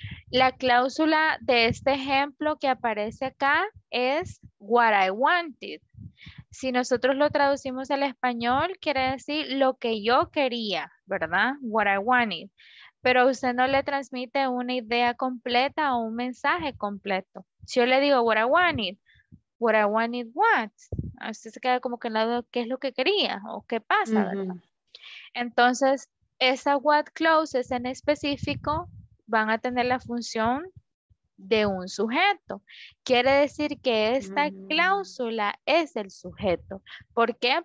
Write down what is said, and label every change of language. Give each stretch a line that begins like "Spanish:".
Spanish: La cláusula de este ejemplo que aparece acá es
English: what I wanted.
Spanish: Si nosotros lo traducimos al español, quiere decir lo que yo quería, ¿verdad?
English: What I wanted.
Spanish: Pero usted no le transmite una idea completa o un mensaje completo. Si yo le digo
English: what I wanted, what I wanted what?
Spanish: Usted se queda como que en el lado, ¿qué es lo que quería? ¿O qué pasa? Uh-huh. ¿Verdad? Entonces, esas what clauses en específico van a tener la función de un sujeto. Quiere decir que esta uh-huh. cláusula es el sujeto. ¿Por qué?